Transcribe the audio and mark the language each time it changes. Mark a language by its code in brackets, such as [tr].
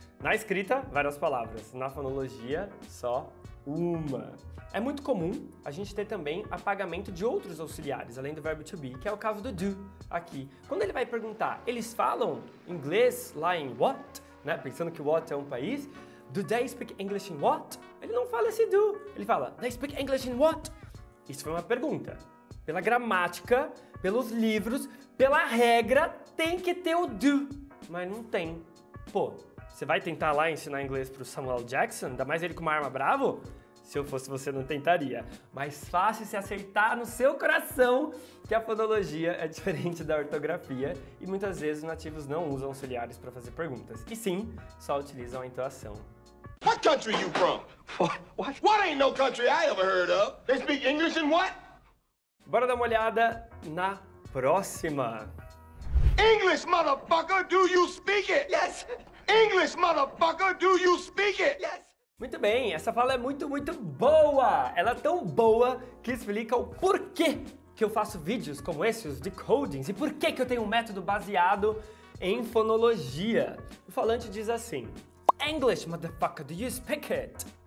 [pt] Na escrita, várias palavras. Na fonologia, só uma. É muito comum a gente ter também apagamento de outros auxiliares, além do verbo to be, que é o caso do do aqui. Quando ele vai perguntar, eles falam inglês lá em what? Né? Pensando que what é um país. [en] Do they speak English in what? [pt] Ele não fala esse do. Ele fala, [en] they speak English in what? [pt] Isso foi uma pergunta. Pela gramática, pelos livros, pela regra, tem que ter o do, mas não tem. Pô, você vai tentar lá ensinar inglês pro Samuel Jackson? Ainda mais ele com uma arma bravo? Se eu fosse você, não tentaria. Mas fácil se acertar no seu coração que a fonologia é diferente da ortografia e muitas vezes os nativos não usam auxiliares para fazer perguntas. E sim, só utilizam a entoação. [en] What country you from? What? What ain't no country I ever heard of? They speak English in what? [pt] Bora dar uma olhada na próxima. [en] English, motherfucker, do you speak it? Yes! English, motherfucker, do you speak it? Yes! [pt] Muito bem, essa fala é muito, muito boa! Ela é tão boa que explica o porquê que eu faço vídeos como esses, os decodings, e porquê que eu tenho um método baseado em fonologia. O falante diz assim, [en] English, motherfucker, do you speak it?